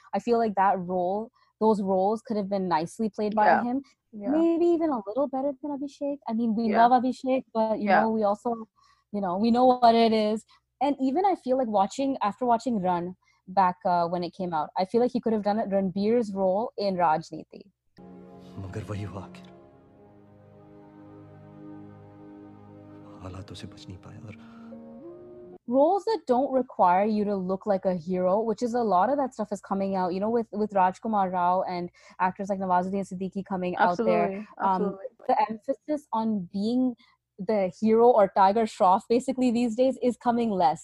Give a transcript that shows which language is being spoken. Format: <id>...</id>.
<en>I feel like that role, those roles could have been nicely played by him. Yeah. Maybe even a little better than Abhishek. I mean, we love Abhishek, but we also, we know what it is. And even I feel like watching Run back when it came out, I feel like he could have done it, Ranbir's role in Rajneeti.</en> <hi>मगर वही हुआ आख़िर. हालातों से बच नहीं पाया और</hi> <en>roles that don't require you to look like a hero, which is a lot of that stuff is coming out, you know, with Rajkumar Rao and actors like Nawazuddin Siddiqui coming out there. Absolutely. The emphasis on being the hero or Tiger Shroff basically these days is coming less.</en>